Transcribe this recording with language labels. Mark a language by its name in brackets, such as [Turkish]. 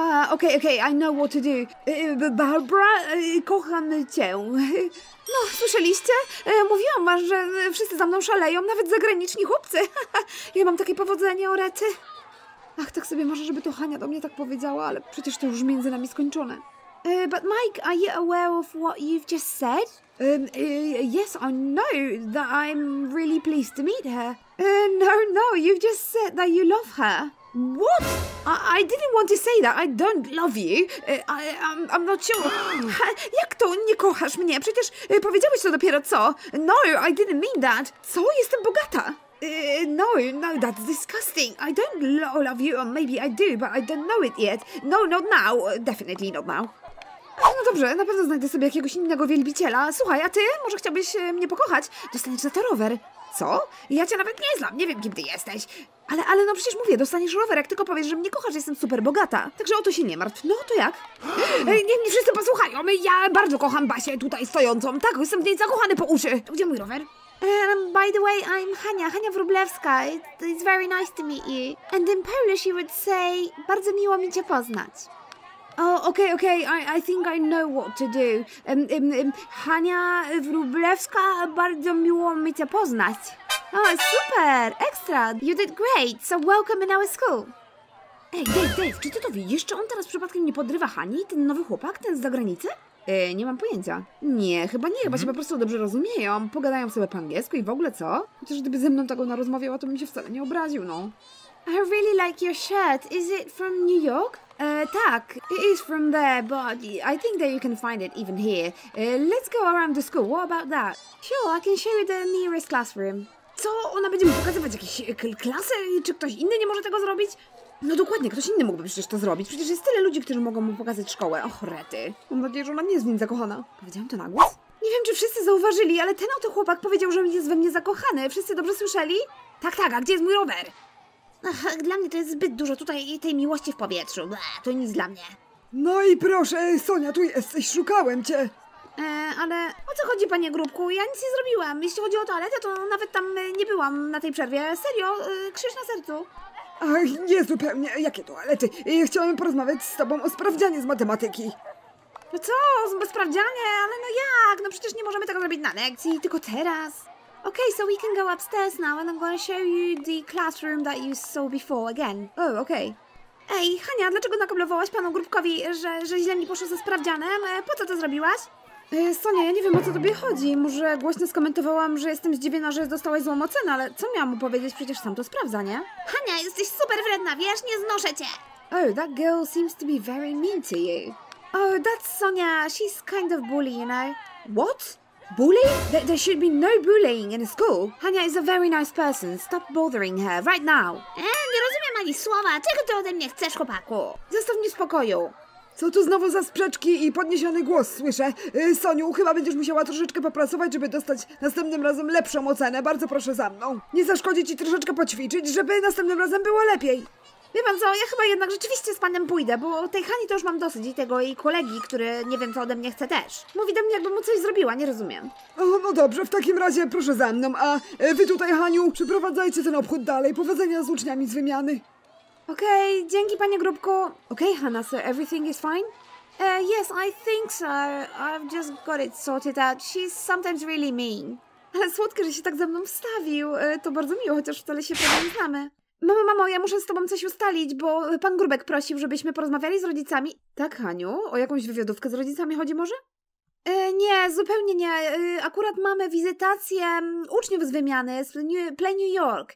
[English] Okej, I know what to do. [Polish] Barbara, kocham cię. No, słyszeliście? Mówiłam wam, że wszyscy za mną szaleją, nawet zagraniczni chłopcy. Ja mam takie powodzenie, Orety. Ach, tak sobie może, żeby to Hania do mnie tak powiedziała, ale przecież to już między nami skończone. [English] But Mike, are you aware of what you've just said? Yes, I know that I'm really pleased to meet her. No, you've just said that you love her. What? I didn't want to say that. I don't love you. I'm not sure. [Polish] Jak to nie kochasz mnie? Przecież powiedziałeś to dopiero co. [English] No, I didn't mean that. [Polish] Co? Jestem bogata. [English] No, that's disgusting. I don't love you, or maybe I do, but I don't know it yet. No, not now. Definitely not now. [Polish] No dobrze, na pewno znajdę sobie jakiegoś innego wielbiciela. Słuchaj, a ty? Może chciałbyś mnie pokochać? Dostaniesz za to rower. Co? Ja cię nawet nie znam, nie wiem, kim ty jesteś. Ale no przecież mówię, dostaniesz rower, jak tylko powiesz, że mnie kochasz, jestem super bogata. Także o to się nie martw. No to jak? Niech mi wszyscy posłuchają. Ja bardzo kocham Basię tutaj stojącą. Tak, jestem w niej zakochany po uszy. Gdzie mój rower? [English] By the way, I'm Hania, Hania Wróblewska. It's very nice to meet you. And in Polish you would say, [Polish] bardzo miło mi cię poznać. [English] Okej, I think I know what to do. [Polish] Hania Wróblewska, bardzo miło mi cię poznać. Oh, super, ekstra. [English] You did great, so welcome in our school. [Polish] Ej, Dave, czy ty to widzisz? Czy on teraz przypadkiem nie podrywa Hani, ten nowy chłopak, ten z zagranicy? Nie mam pojęcia. Nie, chyba nie, chyba się po prostu dobrze rozumieją. Pogadają sobie po angielsku i w ogóle co? Chociaż gdyby ze mną tak ona rozmawiała, to bym się wcale nie obraził, no. [English] I really like your shirt. Is it from New York? Tak, it is from there, but I think that you can find it even here. Let's go around the school, what about that? Sure, I can show you the nearest classroom. [Polish] Co? Ona będzie mi pokazywać jakieś klasy? Czy ktoś inny nie może tego zrobić? No dokładnie, ktoś inny mógłby przecież to zrobić. Przecież jest tyle ludzi, którzy mogą mu pokazać szkołę. Och, rety. Mam nadzieję, że ona nie jest w nim zakochana. Powiedziałam to na głos? Nie wiem, czy wszyscy zauważyli, ale ten oto chłopak powiedział, że jest we mnie zakochany. Wszyscy dobrze słyszeli? Tak, a gdzie jest mój rower? Ach, dla mnie to jest zbyt dużo tutaj tej miłości w powietrzu. Bleh, to nic dla mnie. No i proszę, Sonia, tu jesteś, szukałem cię. Ale o co chodzi, panie Grubku? Ja nic nie zrobiłam. Jeśli chodzi o toaletę, to nawet tam nie byłam na tej przerwie. Serio, krzyż na sercu. Ach, nie zupełnie. Jakie toalety? Chciałem porozmawiać z tobą o sprawdzianie z matematyki. No co, sprawdzianie? Ale no jak? No przecież nie możemy tego zrobić na lekcji, tylko teraz. [English] Okay, so we can go upstairs now and I'm gonna show you the classroom that you saw before again. Oh, okay. [Polish] Ej, Hania, dlaczego nakablowałaś panu Grubkowi, że źle mi poszło ze sprawdzianem? Po co to zrobiłaś? Sonia, ja nie wiem, o co tobie chodzi. Może głośno skomentowałam, że jestem zdziwiona, że dostałaś złą ocenę, ale co miałam mu powiedzieć? Przecież sam to sprawdza, nie? Hania, jesteś super wredna, wiesz? Nie znoszę cię! [English] Oh, that girl seems to be very mean to you. Oh, that's Sonia. She's kind of bully, you know? What? Bully? There should be no bullying in a school. Hania is a very nice person. Stop bothering her right now. [Polish] Nie rozumiem ani słowa. Czego ty ode mnie chcesz, chłopaku? Zostaw mnie w spokoju. Co tu znowu za sprzeczki i podniesiony głos słyszę? Soniu, chyba będziesz musiała troszeczkę popracować, żeby dostać następnym razem lepszą ocenę. Bardzo proszę za mną. Nie zaszkodzi ci troszeczkę poćwiczyć, żeby następnym razem było lepiej. Wie pan co, ja chyba jednak rzeczywiście z panem pójdę, bo tej Hani to już mam dosyć i tego jej kolegi, który nie wiem co ode mnie chce też. Mówi do mnie, jakby mu coś zrobiła, nie rozumiem. O, no dobrze, w takim razie proszę za mną, a wy tutaj, Haniu, przeprowadzajcie ten obchód dalej. Powodzenia z uczniami z wymiany. Okej, dzięki panie Grubku. [English] Okej, Hana, so everything is fine? Yes, I think so. I've just got it sorted out. She's sometimes really mean. [Polish] Ale słodkie, że się tak ze mną wstawił. To bardzo miło, chociaż wcale się pewnie nie znamy. Mamo, mamo, ja muszę z tobą coś ustalić, bo pan Grubek prosił, żebyśmy porozmawiali z rodzicami. Tak, Haniu? O jakąś wywiadówkę z rodzicami chodzi może? Nie, zupełnie nie. Akurat mamy wizytację uczniów z wymiany z Play New York.